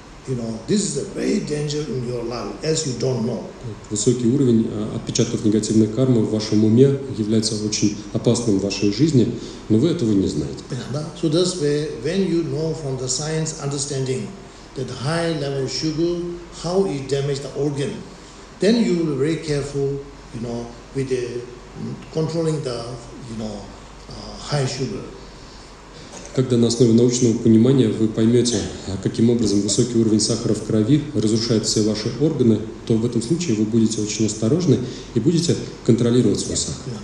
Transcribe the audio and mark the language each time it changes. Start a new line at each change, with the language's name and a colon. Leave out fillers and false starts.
English: You know, this is a very danger in your life, as you don't know.
Russian: Высокий уровень отпечатков негативной кармы в вашем уме является очень опасным в вашей жизни, но вы этого не знаете.
English: So that's where, when you know from the science understanding that high level sugar, how it damages the organ, then you will be very careful, you know, with the controlling the, you know, high sugar.
Russian: Когда на основе научного понимания вы поймете, каким образом высокий уровень сахара в крови разрушает все ваши органы, то в этом случае вы будете очень осторожны и будете контролировать свой сахар.